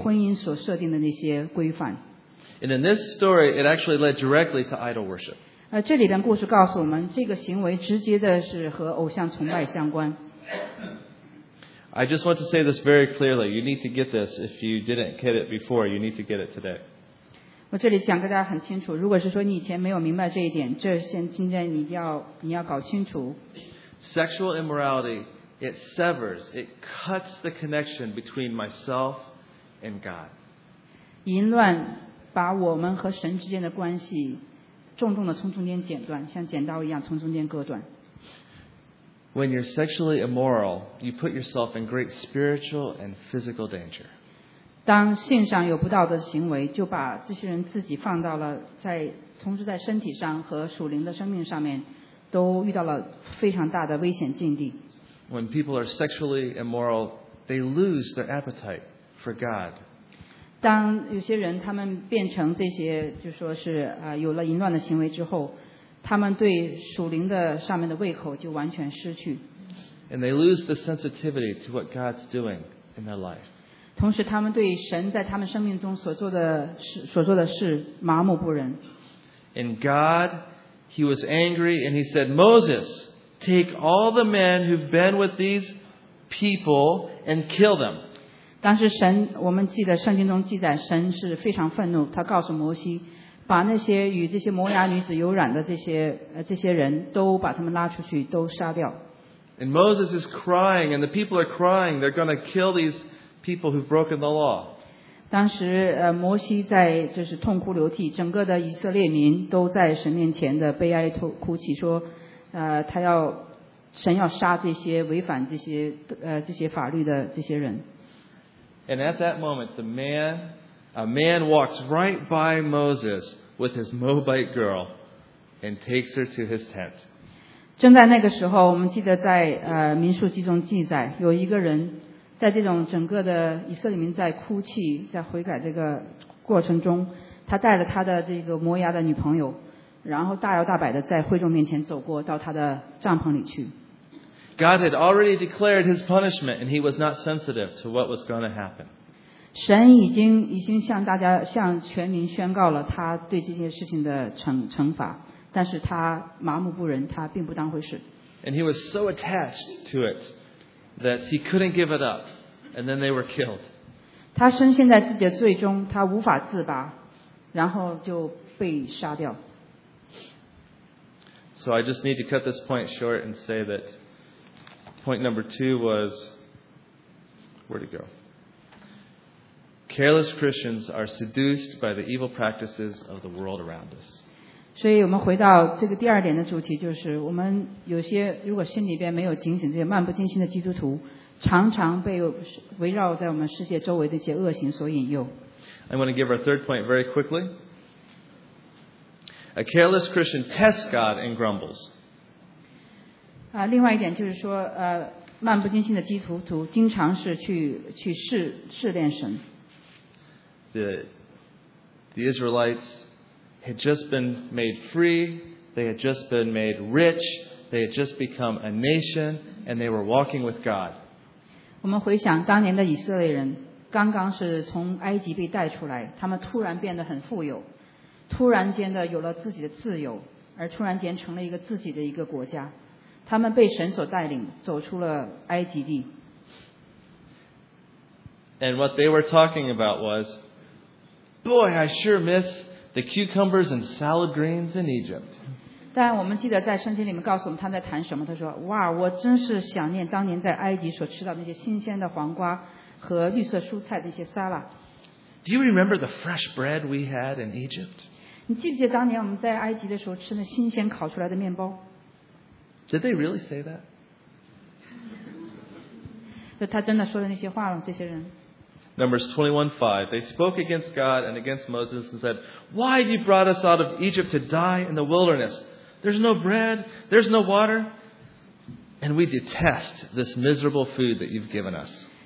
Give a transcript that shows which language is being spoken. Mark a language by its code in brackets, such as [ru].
[zh] 他也违反了当年神对婚姻所设定的那些规范。 [en] And in this story, it actually led directly to idol worship. [zh] 这里边故事告诉我们, 这个行为直接的是和偶像崇拜相关。 [en] I just want to say this very clearly. You need to get this. If you didn't get it before, you need to get it today. [zh] 我这里想跟大家很清楚, 如果是说你以前没有明白这一点, 这现在你要搞清楚。 [en] Sexual immorality, it severs, it cuts the connection between myself and God. [zh] 淫乱把我们和神之间的关系, 重重地从中间剪断, 像剪刀一样从中间割断。 [en] When you're sexually immoral, you put yourself in great spiritual and physical danger. [zh] 当性上有不道德的行为, 就把这些人自己放到了在, 同时在身体上和属灵的生命上面, 都遇到了非常大的危险境地。 [en] When people are sexually immoral, they lose their appetite for God. [zh] 当有些人他们变成这些,就说是, 有了淫乱的行为之后, 他们对属灵的上面的胃口就完全失去。 [en] And they lose the sensitivity to what God's doing in their life. [zh] 同时他们对神在他们生命中所做的事麻木不仁。 [en] And God, He was angry and He said, Moses, take all the men who've been with these people and kill them. [zh] 当时神, 我们记得圣经中记载, 神是非常愤怒, 他告诉摩西, 把那些与这些摩押女子有染的这些, 这些人, 都把他们拉出去, 都杀掉。 [en] And Moses is crying, and the people are crying. They're going to kill these people who've broken the law. [zh] 当时, 摩西在就是痛哭流涕, 整个的以色列民都在神面前的悲哀哭泣, 说, 他要, 神要杀这些违反这些, 这些法律的这些人。 [en] And at that moment, a man walks right by Moses with his Moabite girl and takes her to his tent. [zh] 正在那个时候, 我们记得在, 民数记中记载, 有一个人在这种整个的以色列民在哭泣, 在悔改这个过程中, 他带了他的这个摩押的女朋友, 然后大摇大摆地在会众面前走过, 到他的帐篷里去。 [en] God had already declared his punishment and he was not sensitive to what was going to happen. [zh] 神已经向大家, 向全民宣告了 他对这件事情的惩罚, 但是他麻木不仁, 他并不当回事。 [en] And he was so attached to it that he couldn't give it up, and then they were killed. [zh] 他深陷在自己的罪中, 他无法自拔, 然后就被杀掉。 [en] So I just need to cut this point short and say that point number two was, where'd it go? Careless Christians are seduced by the evil practices of the world around us. [zh] 所以我们回到这个第二点的主题，就是我们有些如果心里边没有警醒，这些漫不经心的基督徒，常常被围绕在我们世界周围的一些恶行所引诱。 [en] I'm going to give our third point very quickly. A careless Christian tests God and grumbles. [zh] 另外一点就是说，漫不经心的基督徒经常是去试炼神。 [en] The Israelites had just been made free. They had just been made rich. They had just become a nation, and they were walking with God. [zh] 我们回想当年的以色列人，刚刚是从埃及被带出来，他们突然变得很富有，突然间的有了自己的自由，而突然间成了一个自己的一个国家。他们被神所带领，走出了埃及地。 [en] And what they were talking about was, boy, I sure miss the cucumbers and salad greens in Egypt. [zh] 但我们记得在圣经里面告诉我们他们在谈什么。他说，哇，我真是想念当年在埃及所吃到那些新鲜的黄瓜和绿色蔬菜的一些沙拉。 [en] Do you remember the fresh bread we had in Egypt? [zh] 你记不记得当年我们在埃及的时候吃那新鲜烤出来的面包？ [en] Did they really say that? [zh] 就他真的说的那些话了，这些人。 [en] Numbers 21:5, they spoke against God and against Moses and said, Why have you brought us out of Egypt to die in the wilderness? There's no bread, there's no water, and we detest this miserable food that you've given us.